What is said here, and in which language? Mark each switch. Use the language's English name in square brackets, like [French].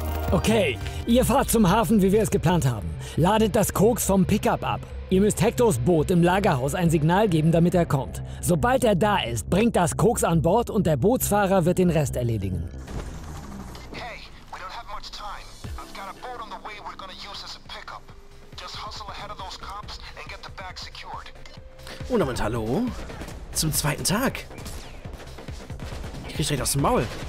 [German] Okay, ihr fahrt zum Hafen, wie wir es geplant haben. Ladet das Koks vom Pickup ab. Ihr müsst Hectors Boot im Lagerhaus ein Signal geben, damit er kommt. Sobald er da ist, bringt das Koks an Bord und der Bootsfahrer wird den Rest erledigen. [English] Hey, we don't have much time. I've got a boat on the way we're gonna use as a pickup. Just hustle ahead of those cops and get the bag secured. [German] Und damit hallo zum zweiten Tag. Ich krieg direkt aus dem Maul.